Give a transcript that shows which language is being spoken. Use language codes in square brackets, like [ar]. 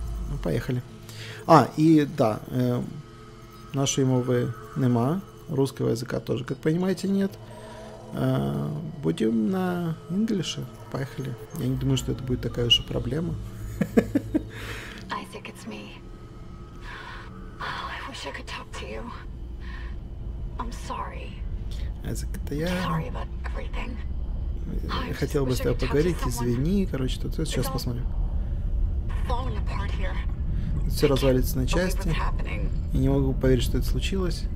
[ru] Ну, поехали. А, и да, нашей [uk] мовы нема, [ru] русского языка тоже, как понимаете, нет. Будем на инглише. Поехали. Я не думаю, что это будет такая уж и проблема. [en] I think it's me. Oh, I wish I could talk to you. I'm sorry. [ru] Isaac, это я. [en] Sorry about everything. [ru] Я хотел бы с тобой поговорить, извини, короче, тут сейчас посмотрим. [en] Falling apart here. [ru] Все развалится на части. И не могу поверить, что это случилось.